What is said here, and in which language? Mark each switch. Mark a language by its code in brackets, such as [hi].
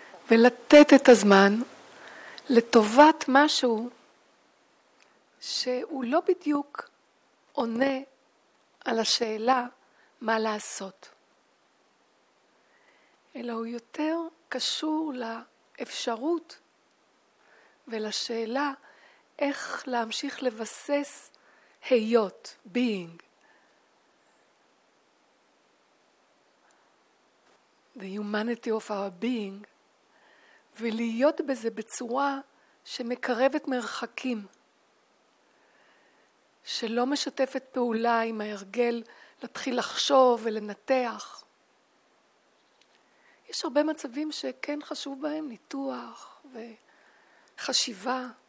[he] ולתת את הזמן לטובת משהו שהוא לא בדיוק עונה על השאלה מה לעשות. אלא הוא יותר קשור לאפשרות ולשאלה איך להמשיך לבסס היות, [en] being. The humanity of our being. [he] ולהיות בזה בצורה שמקרבת מרחקים. שלא משתפת פעולה עם ההרגל להתחיל לחשוב ולנתח. יש הרבה מצבים שכן חשוב בהם ניתוח וחשיבה.